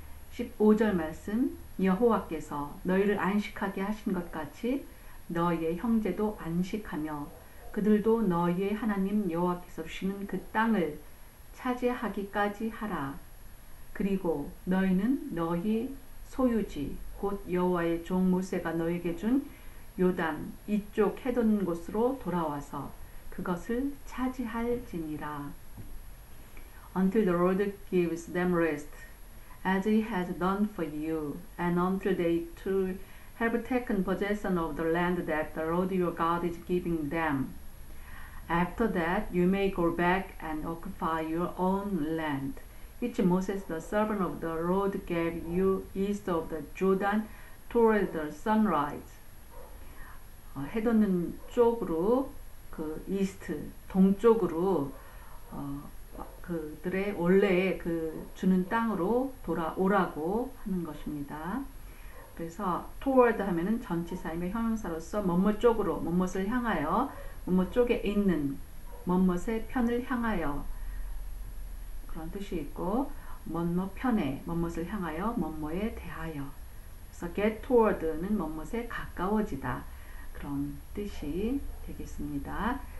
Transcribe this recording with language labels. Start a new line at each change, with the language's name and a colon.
Korean: 15절 말씀, 여호와께서 너희를 안식하게 하신 것 같이 너희의 형제도 안식하며 그들도 너희의 하나님 여호와께서 주시는 그 땅을 차지하기까지 하라. 그리고 너희는 너희 소유지, 곧 여호와의 종 모세가 너에게 준 요단 이쪽 해돋는 곳으로 돌아와서 그것을 차지할지니라.
English: Until the Lord gives them rest, as he has done for you, and until they too have taken possession of the land that the Lord your God is giving them. After that, you may go back and occupy your own land, which Moses, the servant of the Lord, gave you east of the Jordan toward the sunrise.
Korean: 해돋는 쪽으로, 그 이스트, 동쪽으로, 그들의 원래의 그 주는 땅으로 돌아오라고 하는 것입니다. 그래서 toward 하면은 전치사임의 형용사로서 뭐뭐 쪽으로, 뭐뭐를 향하여, 뭐뭐 쪽에 있는 멋멋의 편을 향하여 그런 뜻이 있고 멋멋 편에 멋멋을 향하여 멋멋에 대하여 그래서 get toward는 멋멋에 가까워지다 그런 뜻이 되겠습니다.